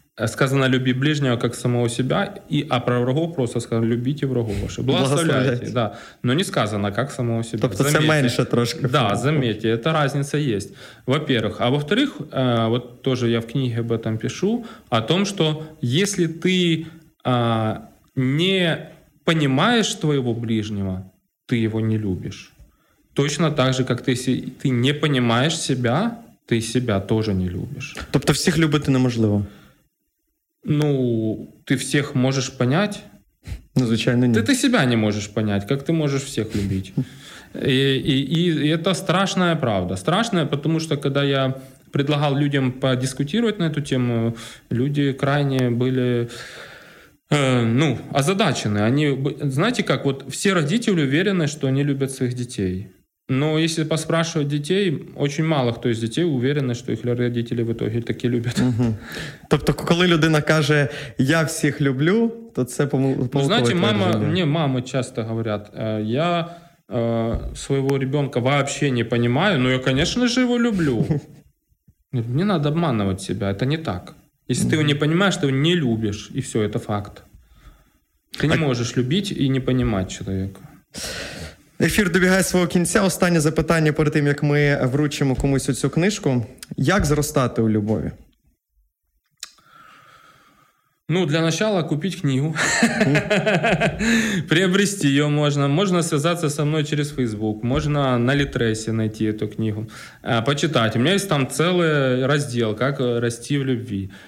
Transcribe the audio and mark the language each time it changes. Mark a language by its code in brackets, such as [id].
[uk] Сказано «люби ближнього, як самого себе», а про врагу просто сказано «любіть врагу ваше». [ru] Благословляйте. Да. Но не сказано [uk] «як самого себе». Тобто заметьте. Це менше трошки. [ru] Да, заметьте, эта разница есть. Во-первых. А во-вторых, вот тоже я в книге об этом пишу, о том, что если ты не понимаешь твоего ближнего, ты его не любишь. Точно так же, как ты не понимаешь себя, ты себя тоже не любишь. [uk] Тобто всіх любити неможливо. [ru] Ну, ты всех можешь понять? [uk] Ну, звичайно, нет. [ru] Ты себя не можешь понять, как ты можешь всех любить? И это страшная правда. Страшная, потому что, когда я предлагал людям подискутировать на эту тему, люди крайне были, озадачены. Они, знаете как, вот все родители уверены, что они любят своих детей. Но если поспрашивать детей, очень мало [uk] хто з дітей [ru] уверены, що їх родители в итоге таки люблять. Угу. [uk] Тобто, коли людина каже, я всіх люблю, то це помилковує. [ru] Ну, знаете, мамы часто говорят, я своего ребенка вообще не понимаю, но я, конечно же, его люблю. Не надо обманывать себя, это не так. Если ты его не понимаешь, ты его не любишь, и все, это факт. Ты не можешь любить и не понимать человека. [uk] Ефір добігає свого кінця. Останнє запитання перед тим, як ми вручимо комусь оцю книжку. Як зростати у любові? [ru] Ну, для начала купить книгу. Приобрести ее можно. Можно связаться со мной через Facebook. Можно на Литресе найти эту книгу. Почитать. У меня есть там целый раздел, как расти в любви.